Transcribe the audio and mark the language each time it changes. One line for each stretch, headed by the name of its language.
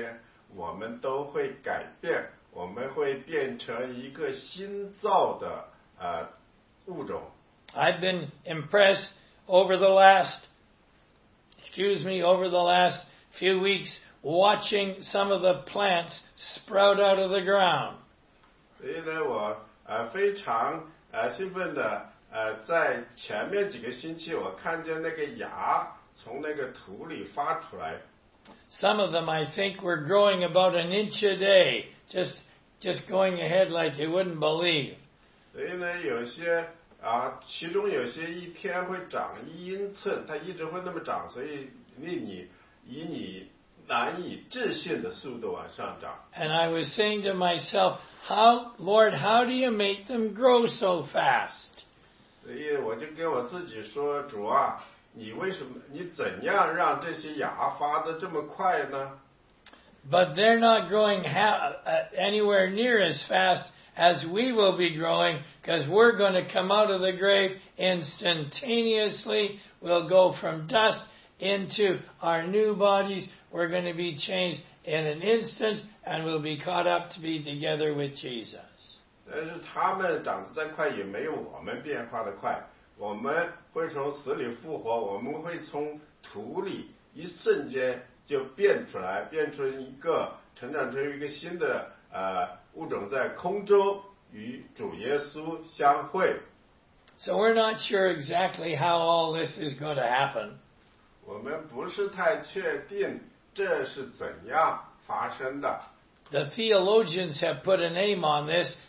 Chinese: 所以呢，那个时候号角吹响的时候，死人要复活，我们会在那一刹那间，我们都会改变。
English: I've been impressed over the last few weeks watching some of the plants sprout out of the ground.
Chinese: 所以呢，我非常兴奋的，在前面几个星期，我看见那个芽从那个土里发出来。
English: Some of them, I think, were growing about an inch a day, just going ahead like you wouldn't believe.
Chinese: 所以呢，有些其中有些一天会长一英寸，它一直会那么长，所以令你难以置信的速度往上涨。
English: And I was saying to myself, Lord, how do you make them grow so fast?
Chinese: 所以我就跟我自己说，主啊，你怎样让这些芽发得这么快呢？
English: But they're not growing anywhere near as fast as we will be growing, because we're going to come out of the grave instantaneously. We'll go from dust into our new bodies. We're going to be changed in an instant, and we'll be caught up to be together with Jesus.
Chinese: 但是他们长得再快也没有我们变化的快，我们会从土里一瞬间就变出来，变成一个成长成一个新的物种，在空中与主耶稣相会。
English: So we're not sure exactly how all this is going to happen.
Chinese: 我们不是太确定这是怎样发生的。
English: The theologians have put a name on this.